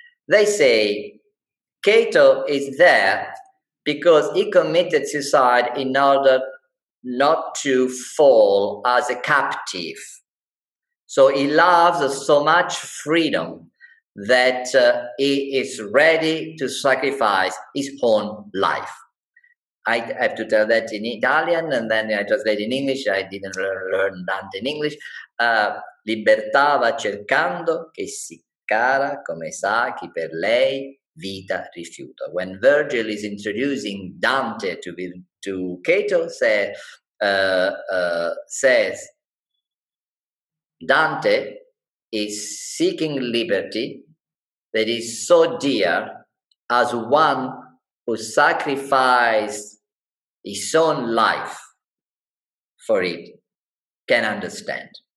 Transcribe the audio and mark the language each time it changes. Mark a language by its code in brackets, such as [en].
[en] They say, Cato is there because he committed suicide in order not to fall as a captive. So he loves so much freedom that he is ready to sacrifice his own life. I have to tell that in Italian, and then I translate in English. I didn't learn Dante in English. [it] Libertà va cercando che si cara come sa chi per lei. Vita rifiuta. [en] When Virgil is introducing Dante to Cato, says Dante is seeking liberty that is so dear as one who sacrificed his own life for it can understand.